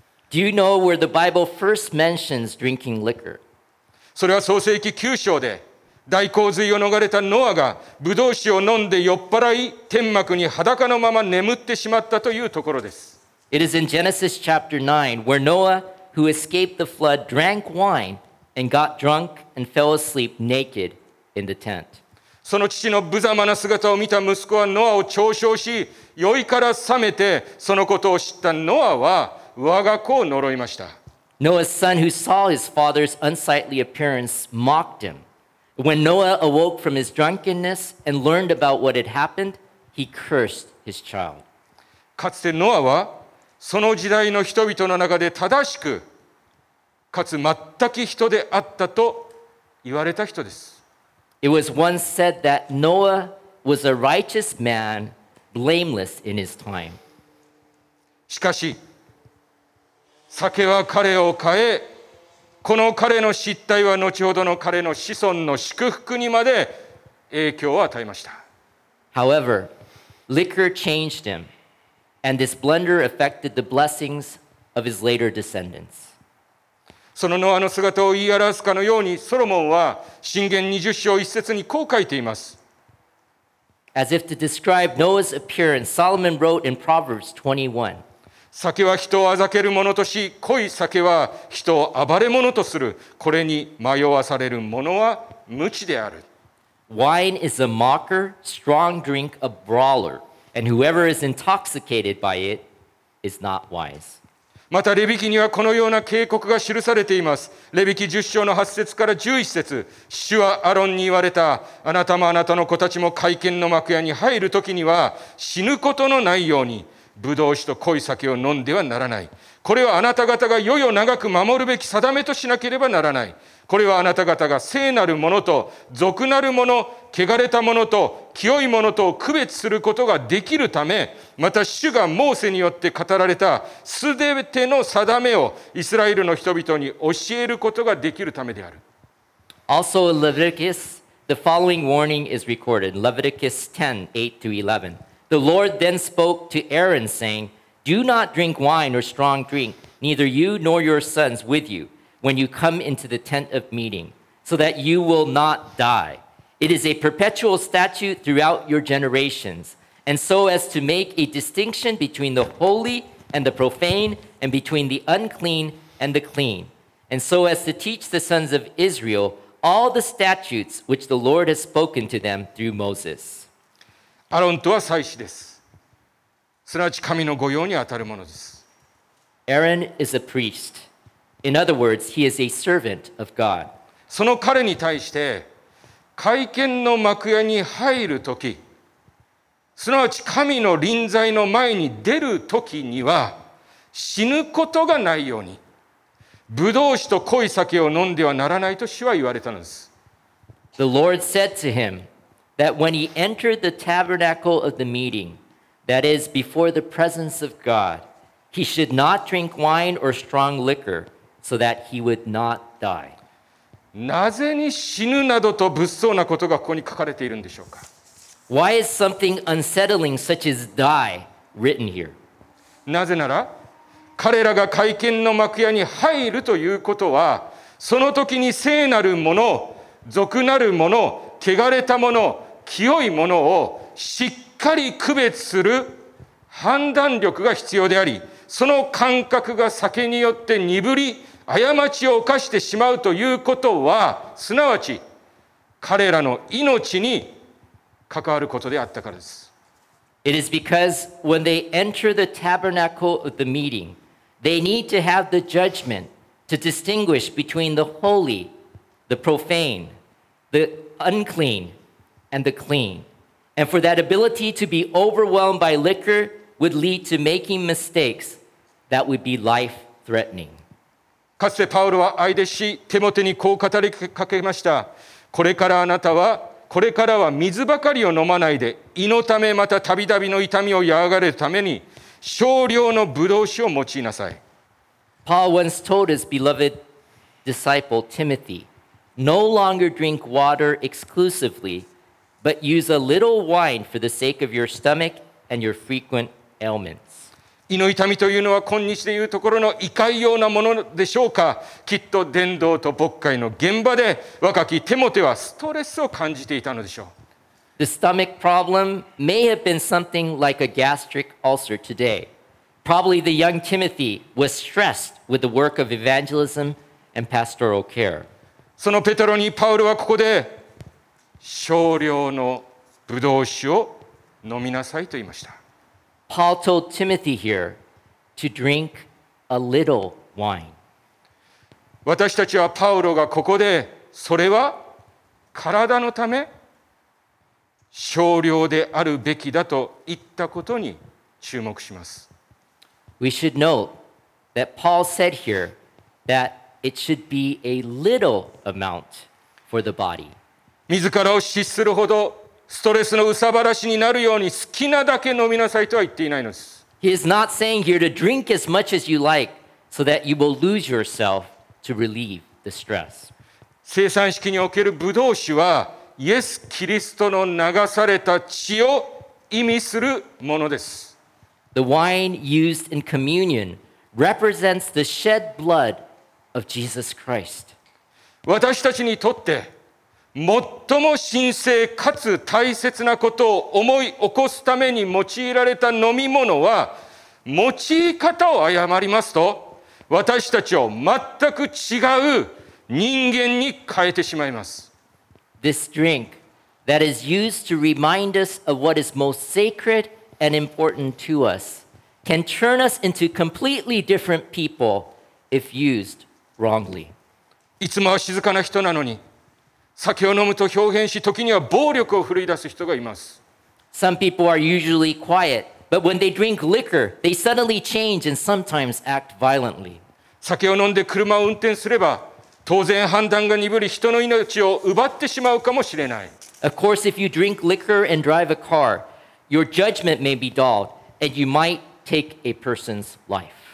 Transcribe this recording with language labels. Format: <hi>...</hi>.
<en>Do you know where the Bible first mentions drinking liquor?</en> <ja>それは創世記9章で大洪水を逃れたノアがブドウ酒を飲んで酔っ払い天幕に裸のまま眠ってしまったというところです。</ja> <en>It is in Genesis chapter 9 where Noah, who escaped the flood, drank wine and got drunk and fell asleep naked in the tent.</en> <ja>その父の無様な姿を見た息子はノアを嘲笑し、酔いから覚めてそのことを知ったノアは我が子を呪いました。</ja> <en>Noah's son, who saw his father's unsightly appearance, mocked him. When Noah awoke from his drunkenness and learned about what had happened, he cursed his child.</en> <ja>かつてノアはその時代の人々の中で正しく、かつ全く人であったと言われた人です。</ja> <en>It was once said that Noah was a righteous man, blameless in his time.</en> <ja>しかし、酒は彼を変え、この彼の失態は後ほどの彼の子孫の祝福にまで影響を与えました。</ja> <en>However, liquor changed him, and this blunder affected the blessings of his later descendants.</en> <ja>そのノアの姿を言い表すかのように、ソロモンは箴言20章1節にこう書いています。</ja> <en>As if to describe Noah's appearance, Solomon wrote in Proverbs 21.</en> <ja>酒は人を欺けるものとし、濃い酒は人を暴れものとする。これに迷わされるものは無知である。</ja> <en>Wine is a mocker, strong drink a brawler, and whoever is intoxicated by it is not wise.</en> <ja>またレビ記にはこのような警告が記されています。レビ記10章の8節から11節、主はアロンに言われた。あなたもあなたの子たちも会見の幕屋に入るときには死ぬことのないように。ブドウ酒と濃い酒を飲んではならない。これはあなた方が世を長く守るべき定めとしなければならない。これはあなた方が聖なるものと俗なるもの、汚れたものと清いものとを区別することができるため、また主がモーセによって語られたすべての定めをイスラエルの人々に教えることができるためである。</ja> <en>Also in Leviticus, the following warning is recorded. Leviticus 10:8-11. The Lord then spoke to Aaron, saying, Do not drink wine or strong drink, neither you nor your sons with you, when you come into the tent of meeting, so that you will not die. It is a perpetual statute throughout your generations, and so as to make a distinction between the holy and the profane, and between the unclean and the clean, and so as to teach the sons of Israel all the statutes which the Lord has spoken to them through Moses.</en> <ja>アロンとは祭司です。すなわち神の御用にあたるものです。</ja> <en>Aaron is a priest. In other words, he is a servant of God.</en> <ja>その彼に対して、会見の幕屋に入るとき、すなわち神の臨在の前に出るときには、死ぬことがないように、ブドウ酒と濃い酒を飲んではならないと主は言われたのです。</ja> <en>The Lord said to him,That when he entered the tabernacle of the meeting, that is, before the presence of God, he should not drink wine or strong liquor, so that he would not die.</en> <ja>なぜに死ぬなどと物騒なことがここに書かれているんでしょうか?</ja> <en>Why is something unsettling such as die written here?</en> <ja>なぜなら、彼らが会見の幕屋に入るということは、その時に聖なるもの、俗なるもの、汚れたもの、清いものをしっかり区別する判断力が必要であり、その感覚が酒によって鈍り、過ちを犯してしまうということは、すなわち彼らの命に関わることであったからです。</ja> <en>It is because when they enter the tabernacle of the meeting, they need to have the judgment to distinguish between the holy, the profane, the unclean, and the clean. And for that ability to be overwhelmed by liquor would lead to making mistakes that would be life-threatening.</en> <ja>かつてパウロは愛弟子テモテにこう語りかけました。これからは水ばかりを飲まないで、胃のためまたたびたびの痛みを和らげるために少量のブドウ酒を用いなさい。</ja> <en>Paul once told his beloved disciple Timothy, no longer drink water exclusively, but use a little wine for the sake of your stomach and your frequent ailments.</en> <ja>胃の痛みというのは今日でいうところの胃潰瘍なものでしょうか。きっと伝道と牧会の現場で若きテモテはストレスを感じていたのでしょう。</ja> <en>The stomach problem may have been something like a gastric ulcer today. Probably the young Timothy was stressed with the work of evangelism and pastoral care.</en> <ja>そのペトロにパウロはここで少量のブドウ酒を飲みなさいと言いました。</ja> <en>Paul told Timothy here to drink a little wine.</en> <ja>私たちはパウロがここでそれは体のため少量であるべきだと言ったことに注目します。</ja> <en>We should note that Paul said here that it should be a little amount for the body.</en> <ja>自らを失するほどストレスの憂さ晴らしになるように好きなだけ飲みなさいとは言っていないのです。</ja> <en>He is not saying here to drink as much as you like so that you will lose yourself to relieve the stress.</en> <ja>聖餐式におけるブドウ酒はイエス・キリストの流された血を意味するものです。</ja> <en>The wine used in communion represents the shed blood of Jesus Christ.</en> <ja>私たちにとって最も神聖かつ大切なことを思い起こすために用いられた飲み物は、用い方を誤りますと私たちを全く違う人間に変えてしまいます。</ja> <en>This drink that is used to remind us of what is most sacredand important to us can turn us into completely different people if used wrongly.</en> <ja>いつもは静かな人なのに酒を飲むと豹変し、時には暴力を振るい出す人がいます。</ja> <en>Some people are usually quiet, but when they drink liquor, they suddenly change and sometimes act violently.</en> <ja>酒を飲んで車を運転すれば、当然判断が鈍り、人の命を奪ってしまうかもしれない。</ja> <en>Of course, if you drink liquor and drive a car,Your judgment may be dulled, and you might take a person's life.</en>